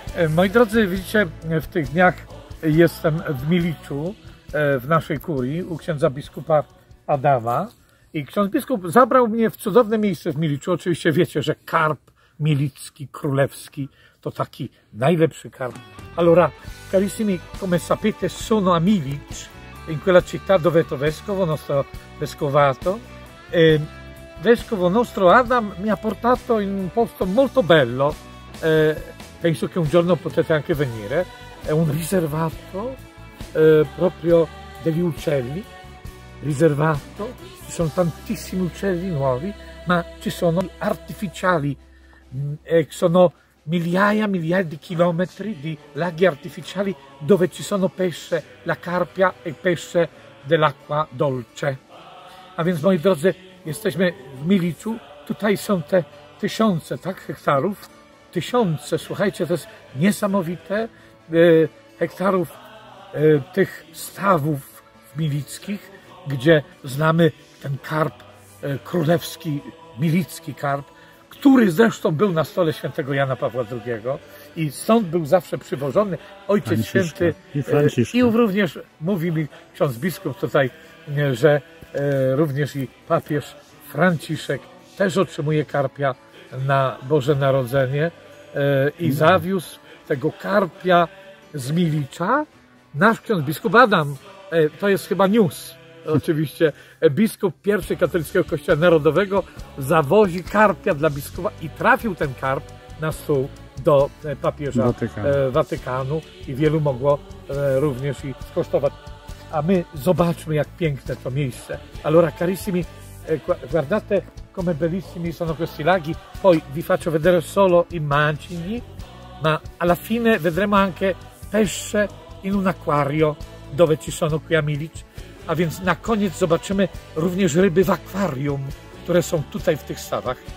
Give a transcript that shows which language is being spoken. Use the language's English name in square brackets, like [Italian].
[Polish] Moi drodzy, widzicie, w tych dniach jestem w Miliczu, w naszej kurii, u księdza biskupa Adama. I ksiądz biskup zabrał mnie w cudowne miejsce w Miliczu. Oczywiście wiecie, że karp milicki, królewski, to taki najlepszy karp. [Italian] Allora, carissimi, come sapete, sono a Milic, in quella città dove to vescovo, nostro vescovato. Vescovo nostro Adam mi ha portato in un posto molto bello, penso che un giorno potete anche venire, è un riservato proprio degli uccelli, riservato, ci sono tantissimi uccelli nuovi, ma ci sono gli artificiali, sono migliaia e migliaia di chilometri di laghi artificiali dove ci sono pesce, la carpia e pesce dell'acqua dolce. [Polish] A więc moi drodzy, jesteśmy w Miliczu, tutaj są te tysiące, tak, hektarów, tysiące, słuchajcie, to jest niesamowite, hektarów tych stawów milickich, gdzie znamy ten karp królewski, milicki karp, który zresztą był na stole świętego Jana Pawła II i stąd był zawsze przywożony Ojciec Święty i również mówi mi ksiądz biskup tutaj, że również i papież Franciszek też otrzymuje karpia na Boże Narodzenie i zawiózł tego karpia z Milicza. Nasz ksiądz biskup Adam, to jest chyba news, oczywiście, biskup pierwszy katolickiego kościoła narodowego zawozi karpia dla biskupa i trafił ten karp na stół do papieża Watykanu i wielu mogło również i skosztować. A my zobaczmy, jak piękne to miejsce. [Italian] Allora, carissimi, guardate come bellissimi sono questi laghi. Poi vi faccio vedere solo immagini, ma alla fine vedremo anche pesce in un acquario dove ci sono qui a Milic. [Polish] A więc na koniec zobaczymy również ryby w akwarium, które są tutaj w tych stawach.